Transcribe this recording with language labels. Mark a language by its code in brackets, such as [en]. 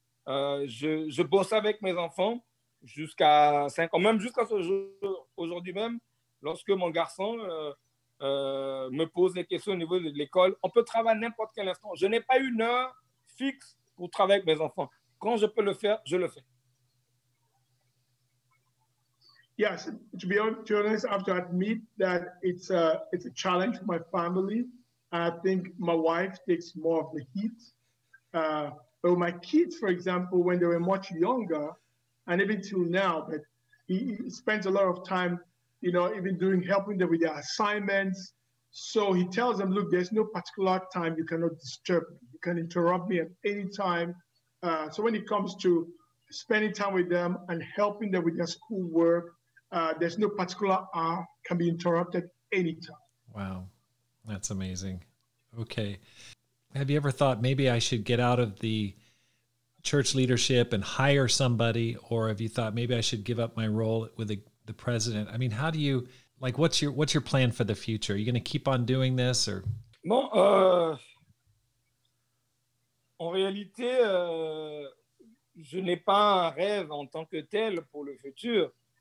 [fr] Je bossais avec mes enfants jusqu'à 5 ans, même jusqu'à ce jour, aujourd'hui même, lorsque mon garçon me pose des questions au niveau de l'école. On peut travailler à n'importe quel instant. Je n'ai pas une heure fixe pour travailler avec mes enfants. Quand je peux le faire, je le fais. [en] Yes, to be honest, I have to admit that it's a challenge for my family. I think my wife takes more of the heat. But with my kids, for example, when they were much younger, and even till now, but he spends a lot of time, you know, even doing helping them with their assignments. So he tells them, look, there's no particular time you cannot disturb me. You can interrupt me at any time. So when it comes to spending time with them and helping them with their schoolwork, there's no particular hour can be interrupted anytime. Wow, that's amazing. Okay, have you ever thought maybe I should get out of the church leadership and hire somebody, or have you thought maybe I should give up my role with the president? I mean, how do you like? What's your plan for the future? Are you going to keep on doing this or? [fr] Bon, en réalité, je n'ai pas un rêve en tant que tel pour le futur.